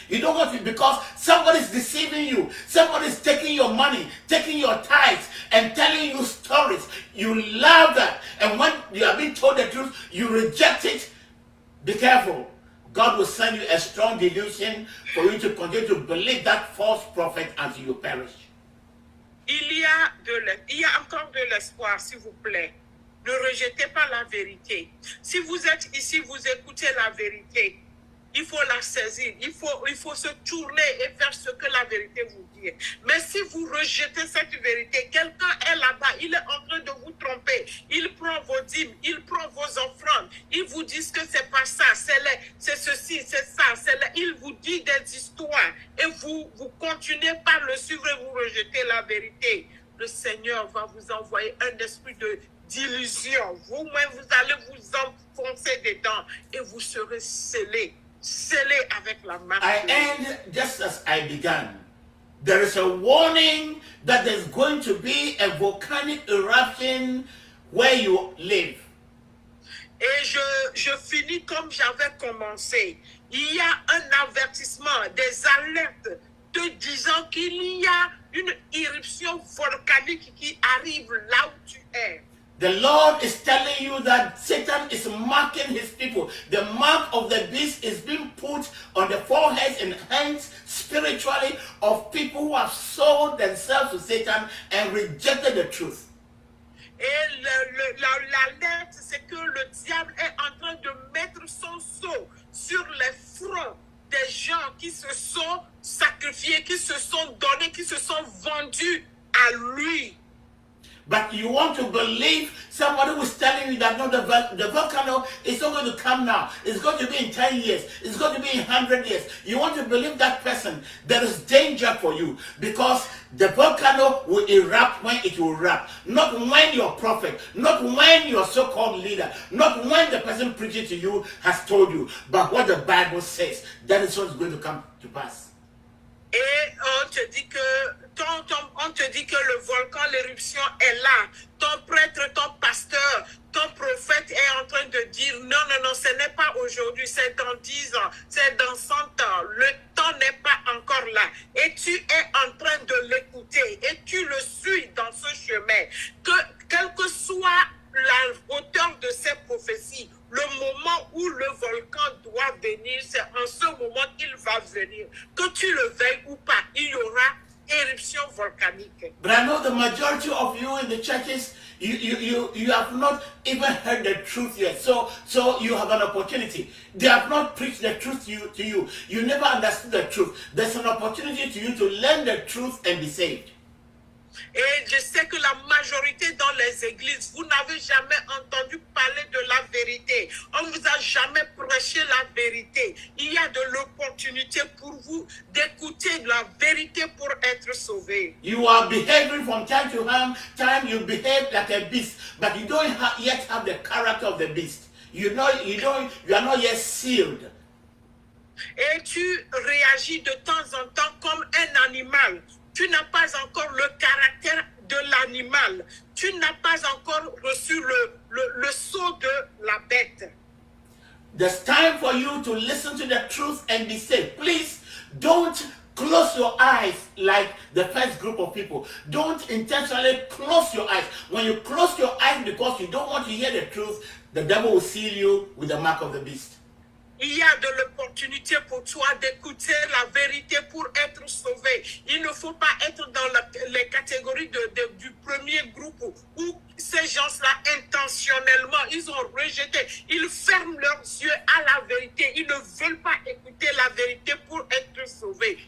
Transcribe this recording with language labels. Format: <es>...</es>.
<en>You don't want to, because somebody's deceiving you. Somebody's taking your money, taking your tithes, and telling you stories. You love that. And when you have been told the truth, you reject it. Be careful. God will send you a strong delusion for you to continue to believe that false prophet as you perish.</en> <fr>Il y a encore de l'espoir, s'il vous plaît. Ne rejetez pas la vérité. Si vous êtes ici, vous écoutez la vérité. Il faut la saisir. Il faut se tourner et faire ce que la vérité vous dit. Mais si vous rejetez cette vérité, quelqu'un est là-bas. Il est en train de vous tromper. Il prend vos dîmes. Il prend vos offrandes. Il vous dit que c'est pas ça. C'est ceci. C'est ça. Il vous dit des histoires. Et vous continuez par le suivre. Vous rejetez la vérité. Le Seigneur va vous envoyer un esprit de d'illusion. Vous-même, vous allez vous enfoncer dedans et vous serez scellé.</fr> <en>I end just as I began. There is a warning that there's going to be a volcanic eruption where you live.</en> <fr>Et je finis comme j'avais commencé. Il y a un avertissement, des alertes te disant qu'il y a une éruption volcanique qui arrive là où tu es.</fr> <en>The Lord is telling you that Satan is marking his people. The mark of the beast is being put on the foreheads and hands spiritually of people who have sold themselves to Satan and rejected the truth.</en> <fr>Et l'alerte, c'est que le diable est en train de mettre son sceau sur les fronts des gens qui se sont sacrifiés, qui se sont donnés, qui se sont vendus à lui.</fr> <en>But you want to believe somebody who's telling you that the volcano is not going to come now. It's going to be in 10 years. It's going to be in 100 years. You want to believe that person. There is danger for you because the volcano will erupt when it will erupt. Not when your prophet, not when your so-called leader, not when the person preaching to you has told you. But what the Bible says, that is what is going to come to pass.</en> <fr>On te dit que le volcan, l'éruption est là. Ton prêtre, ton pasteur, ton prophète est en train de dire non, non, non, ce n'est pas aujourd'hui, c'est dans 10 ans, c'est dans 100 ans. Le temps n'est pas encore là. Et tu es en train de l'écouter et tu le suis dans ce chemin. Que, quelle que soit la hauteur de ces prophéties, le moment où le volcan doit venir, c'est en ce moment qu'il va venir. Que tu le veilles ou pas, il y aura éruption volcanique.</fr> <en>But I know the majority of you in the churches, you have not even heard the truth yet. So you have an opportunity. They have not preached the truth to you. You never understood the truth. There's an opportunity to you to learn the truth and be saved.</en> <fr>Et Je sais que la majorité dans les églises, vous n'avez jamais entendu parler de la vérité. On ne vous a jamais prêché la vérité. Il y a de l'opportunité pour vous d'écouter la vérité pour être sauvé.</fr> <en>You are behaving from time to time. Time you behave like a beast, but you don't yet have the character of the beast. You know, you are not yet sealed.</en> <fr>Et tu réagis de temps en temps comme un animal. Tu n'as pas encore le caractère de l'animal. Tu n'as pas encore reçu le sceau de la bête.</fr> <en>There's time for you to listen to the truth and be saved. Please don't close your eyes like the first group of people. Don't intentionally close your eyes. When you close your eyes because you don't want to hear the truth, the devil will seal you with the mark of the beast.</en> <fr>Il y a de l'opportunité pour toi d'écouter la vérité pour être sauvé. Il ne faut pas être dans les catégories du premier groupe où ces gens-là, intentionnellement, ils ont rejeté. Ils ferment leurs yeux à la vérité. Ils ne veulent pas écouter la vérité pour être sauvés.</fr>